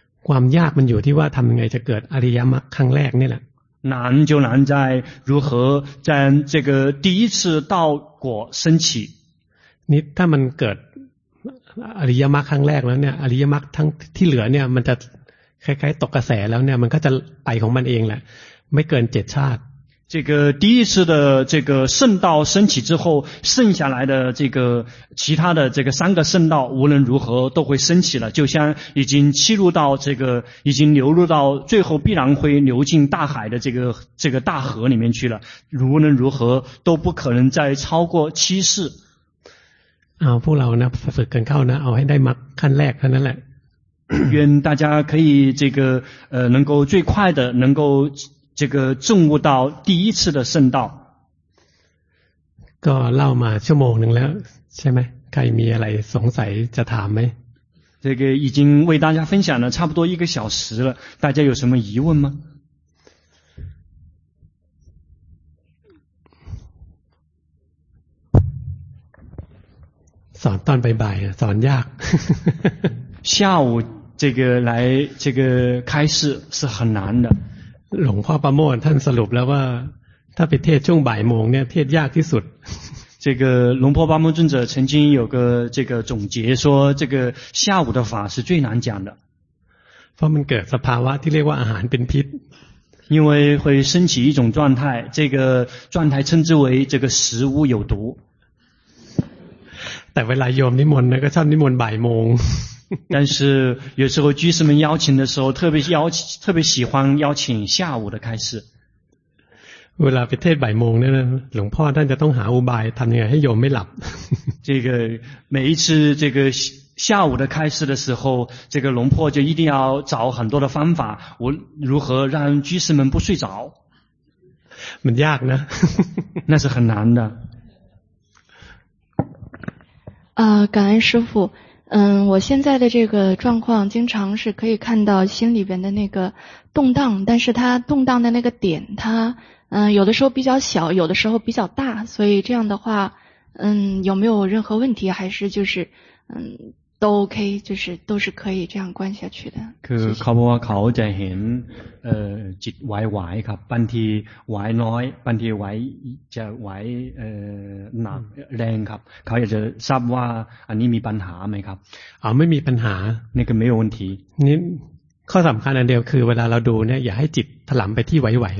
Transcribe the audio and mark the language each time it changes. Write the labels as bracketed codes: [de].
[th] ความยากมันอยู่ที่ว่าทำยังไงจะเกิดอริยมรรคครั้งแรกนี่แหละ [zh] 难就难在如何在这个第一次道果升起 [th] นี่ถ้ามันเกิดอริยมรรคครั้งแรกแล้วเนี่ยอริยมรรคทั้งที่เหลือเนี่ยมันจะคล้ายๆตกกระแสแล้วเนี่ยมันก็จะไปของมันเองแหละไม่เกินเจ็ดชาติ [zh] 这个第一次的这个圣道升起之后剩下来的这个其他的这个三个圣道无论如何都会升起了就像已经契入到这个已经流入到最后必然会流进大海的这个大河里面去了无论如何都不可能再超过七世 [th] เอาพวกเรานะฝึกกันเข้านะเอาให้ได้มรรคขั้นแรกเท่านั้นแหละ [zh] 愿大家可以这个能够最快的能够这个证悟到第一次的圣道。 [th] ก็เล่ามาชั่วโมงหนึ่งแล้วใช่ไหมใครมีอะไรสงสัยจะถามไหม [zh] 这个已经为大家分享了差不多一个小时了大家有什么疑问吗 [th] สอนตอนบ่ายๆสอนยาก [zh] 下午这个来这个开示是很难的 [th] หลวงพ่อประโมทท่านสรุปแล้วว่าถ้าไปเทศช่วงบ่ายโมงเนี่ยเทศยากที่สุด [zh] 这个龙婆巴木尊者曾经有个这个总结说这个下午的法是最难讲的 [th] เพราะมันเกิดสภาวะที่เรียกว่าอาหารเป็นพิษ [zh] 因为会升起一种状态这个状态称之为这个食物有毒 [th] แต่เวลาโยมนิมนต์นะก็ชอบนิมนต์บ่ายโมง [zh] 但是有时候居士们邀请的时候特别喜欢邀请下午的开示 [th] เวลาไปเทศบ่ายโมงเนี่ยหลวงพ่อท่านจะต้องหาอุบายทำยังไงให้โยมไม่หลับ [zh] 这个每一次这个下午的开示的时候这个龙婆就一定要找很多的方法我如何让居士们不睡着 [th] มันยากนะ [zh] 那是很难的感恩师父我现在的这个状况经常是可以看到心里边的那个动荡但是它动荡的那个点它有的时候比较小有的时候比较大所以这样的话有没有任何问题还是就是都 OK 就是都是可以这样关下去的 [th] คือเขาบอกว่าเขาจะเห็นจิตไหวๆครับบางทีไหวน้อยบางทีไหวจะไหวหนักแรงครับเขาอยากจะทราบว่าอันนี้มีปัญหาไหมครับ ไม่มีปัญหานี่ก็ไม่มีปัญหานี่ข้อสำคัญอันเดียวคือเวลาเราดูเนี่ยอย่าให้จิตถลำไปที่ไหว